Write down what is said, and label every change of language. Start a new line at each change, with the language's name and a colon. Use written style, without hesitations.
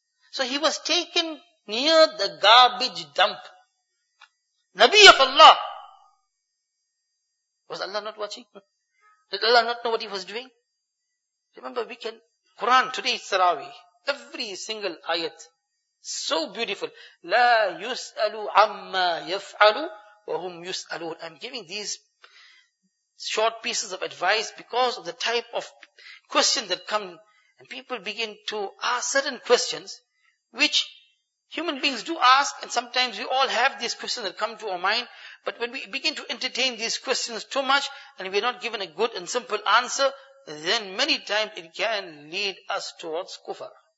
English: So he was taken near the garbage dump. Nabi of Allah. Was Allah not watching? Did Allah not know what he was doing? Remember, we can, Quran, today is Tarawih. Every single ayat, so beautiful.
Arabic: لا يسألوا عما يفعلوا وهم يسألون.
English: I'm giving these short pieces of advice because of the type of questions that come. And people begin to ask certain questions which human beings do ask. And sometimes we all have these questions that come to our mind. But when we begin to entertain these questions too much and we are not given a good and simple answer, then many times it can lead us towards kufr.